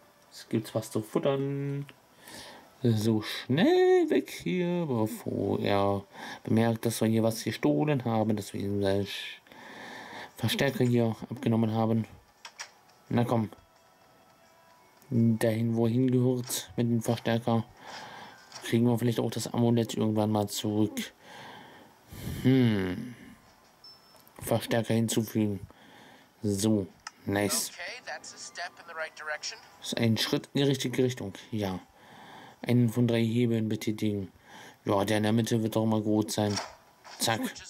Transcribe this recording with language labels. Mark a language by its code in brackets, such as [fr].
[de] Jetzt gibt's was zu futtern. So schnell weg hier, bevor er bemerkt, dass wir hier was gestohlen haben, dass wir ihm gleich Verstärker hier abgenommen haben. Na komm. Dahin, wohin gehört mit dem Verstärker, kriegen wir vielleicht auch das Amulett irgendwann mal zurück. Verstärker hinzufügen. [en] So, nice. Okay, that's a step in the right direction. [de] Ist ein Schritt in die richtige Richtung, ja. Einen von drei Hebeln betätigen. Ja, der in der Mitte wird doch mal gut sein. Zack.